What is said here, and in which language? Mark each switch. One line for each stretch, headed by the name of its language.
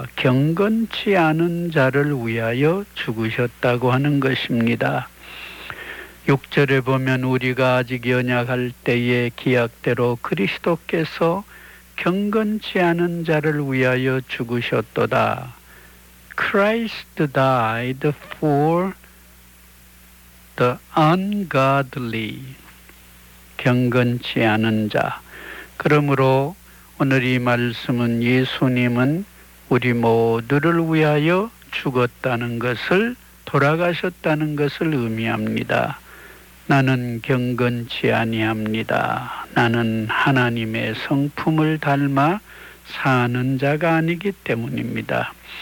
Korean: 경건치 않은 자를 위하여 죽으셨다고 하는 것입니다. 6절에 보면 우리가 아직 연약할 때에 기약대로 그리스도께서 경건치 않은 자를 위하여 죽으셨도다.
English: Christ died for the ungodly.
Korean: 경건치 않은 자. 그러므로 오늘 이 말씀은 예수님은 우리 모두를 위하여 죽었다는 것을, 돌아가셨다는 것을 의미합니다. 나는 경건치 아니합니다. 나는 하나님의 성품을 닮아 사는 자가 아니기 때문입니다.